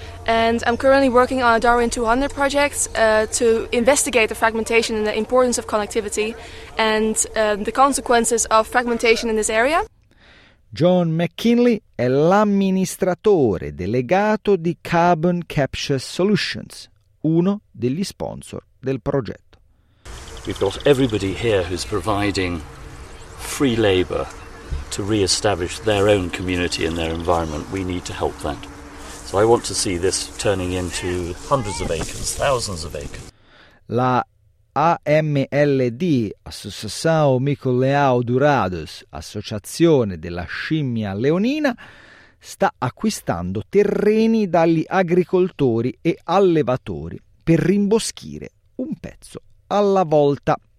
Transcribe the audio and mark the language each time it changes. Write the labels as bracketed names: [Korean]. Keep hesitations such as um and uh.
[English] And I'm currently working on a Darwin 200 project uh, to investigate the fragmentation and the importance of connectivity and uh, the consequences of fragmentation in this area. [Italian] John McKinley è l'amministratore delegato di Carbon Capture Solutions, uno degli sponsor del progetto. [English] we've got everybody here who's providing free labour to re-establish their own community and their environment. We need to help that. So I want to see this turning into hundreds of, acres, of [Italian] La AMLD, Associação Mico Dourados, Associazione della Scimmia Leonina, sta acquistando terreni dagli agricoltori e allevatori per rimboschire un pezzo alla volta.